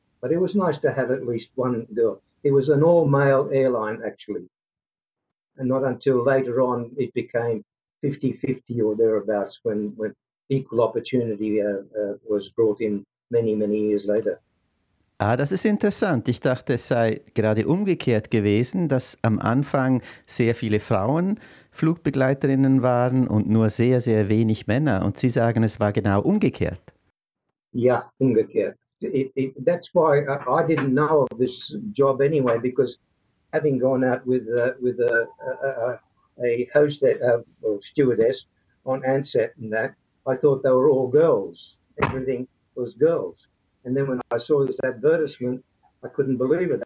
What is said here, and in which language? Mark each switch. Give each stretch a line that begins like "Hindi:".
English: But it was nice to have at least one girl. It was an all-male airline, actually. And not until later on it became 50-50 or thereabouts when equal opportunity was brought in many, many years later.
German: Ah, das ist interessant. Ich dachte, es sei gerade umgekehrt gewesen, dass am Anfang sehr viele Frauen Flugbegleiterinnen waren und nur sehr, sehr wenig Männer. Und Sie sagen, es war genau umgekehrt. Ja, umgekehrt.
English: It, that's why I didn't know of this job anyway, because having gone out with a stewardess on Ansett and that, I thought they were all girls. Everything was girls. And then when I saw this advertisement, I couldn't believe it.